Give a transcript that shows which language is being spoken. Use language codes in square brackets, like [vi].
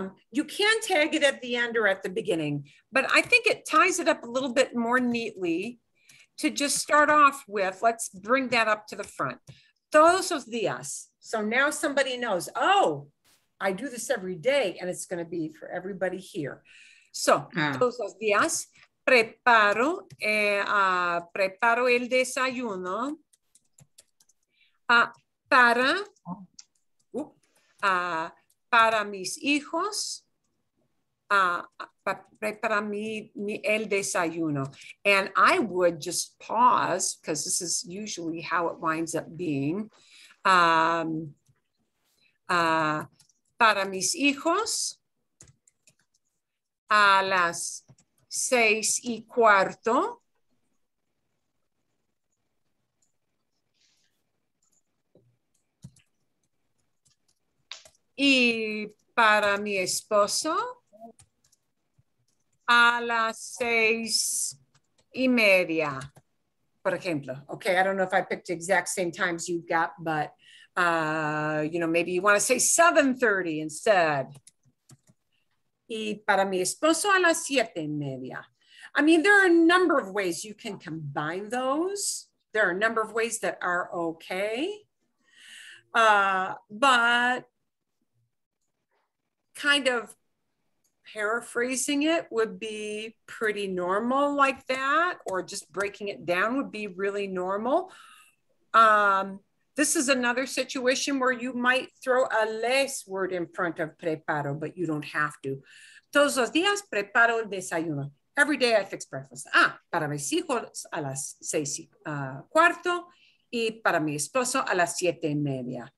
[en] You can tag it at the end or at the beginning, but I think it ties it up a little bit more neatly to just start off with. Let's bring that up to the front. [es] Todos días. [en] So now somebody knows, oh, I do this every day and it's going to be for everybody here. [es] So, todos días. Preparo el desayuno para mis hijos, prepara el desayuno. [en] And I would just pause, because this is usually how it winds up being. [es] Para mis hijos, a las 6:15. Y para mi esposo, a las 6:30, por ejemplo. [en] Okay, I don't know if I picked the exact same times you got, but you know, maybe you want to say 7:30 instead. [es] Y para mi esposo a las 7:30. [en] I mean, there are a number of ways you can combine those. There are a number of ways that are okay. But kind of paraphrasing it would be pretty normal like that, or just breaking it down would be really normal. This is another situation where you might throw a les word in front of preparo, but you don't have to. [es] Todos los días preparo el desayuno. [en] Every day I fix breakfast. [es] Ah, para mis hijos a las 6:15 y para mi esposo a las 7:30.